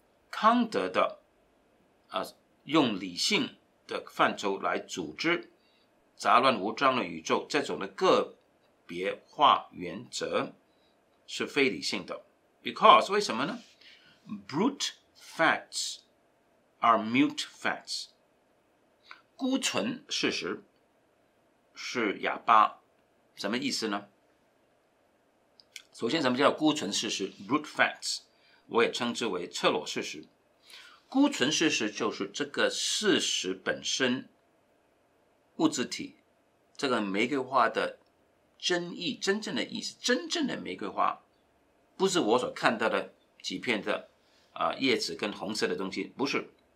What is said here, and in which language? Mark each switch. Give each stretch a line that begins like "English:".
Chinese: 康德的用理性的范畴来组织杂乱无章的宇宙，这种的个别化原则是非理性的。Because 为什么呢？
English: Brute facts are mute facts，
Chinese: 孤存事实是哑巴，什么意思呢？首先，什么叫孤存事实 ？
English: Brute facts，
Chinese: 我也称之为赤裸事实。孤存事实就是这个事实本身，物质体，这个玫瑰花的真意，真正的意思，真正的玫瑰花，不是我所看到的几片的叶子跟红色的东西，不是。